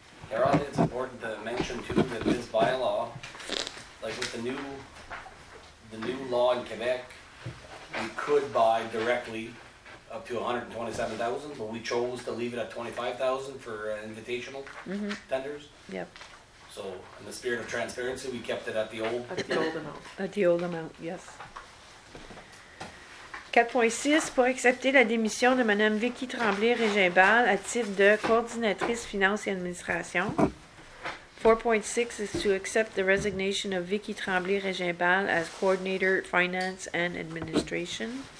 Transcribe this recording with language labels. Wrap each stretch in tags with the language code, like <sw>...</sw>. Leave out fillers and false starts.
<en>Harold, it's important to mention too that this bylaw, like with the new law in Quebec, we could buy directly up to $127,000, but we chose to leave it at $25,000 for invitational tenders. Yep. So, in the spirit of transparency, we kept it at the old. At the old amount. At the old amount. Yes.</en> <fr>4.6, pour accepter la démission de Mme Vicky Tremblay-Régimbal à titre de coordinatrice finance et administration.</fr> <en>4.6 is to accept the resignation of Vicky Tremblay-Régimbal as coordinator finance and administration.</en>